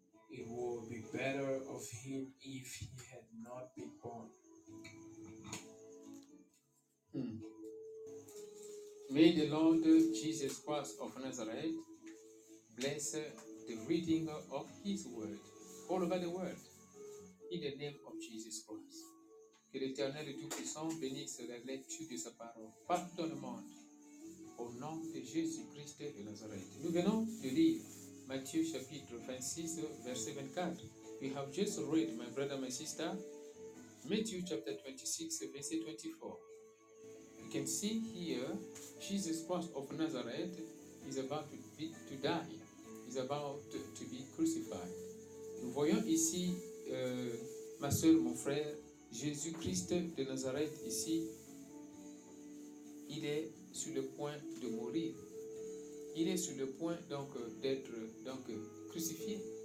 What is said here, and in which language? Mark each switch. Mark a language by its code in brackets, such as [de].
[en] It would be better of him if he had not been born. May the Lord Jesus Christ of Nazareth bless the reading of his word all over the world in the name of Jesus Christ. [fr] Que l'Éternel tout puissant bénisse la lecture de sa parole partout dans le monde au nom de Jésus Christ de Nazareth. Nous venons de lire Matthieu chapitre 26 verset 24. [en] We have just read, my brother, my sister, Matthieu chapter 26 verset 24. You can see here Jesus Christ of Nazareth is about to die, is about to be crucified. [fr] Nous voyons ici ma soeur, mon frère, Jésus-Christ de Nazareth ici, il est sur le point de mourir. Il est sur le point donc d'être donc crucifié.